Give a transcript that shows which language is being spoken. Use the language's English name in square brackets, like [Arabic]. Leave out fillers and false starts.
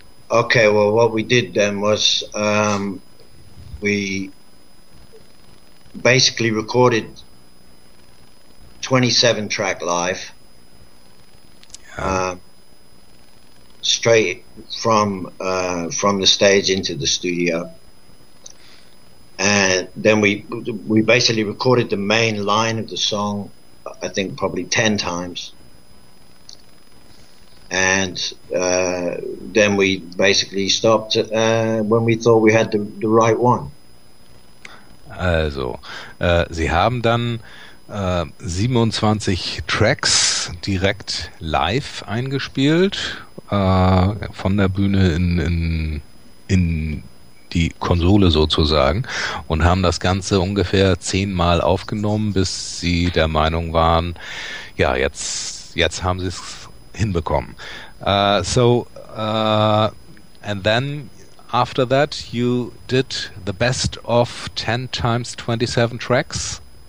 [English] Okay, well, what we did then was we basically recorded 27 track live, straight from the stage into the studio, and then we basically recorded the main line of the song, I think probably 10 times. And then we basically stopped when we thought we had the right one. [German] Also, Sie haben dann 27 Tracks direkt live eingespielt, von der Bühne in die Konsole sozusagen, und haben das Ganze ungefähr 10 Mal aufgenommen, bis Sie der Meinung waren, ja, jetzt haben Sie es hinbekommen. [English] And then after that you did the best of 10 times 27 tracks?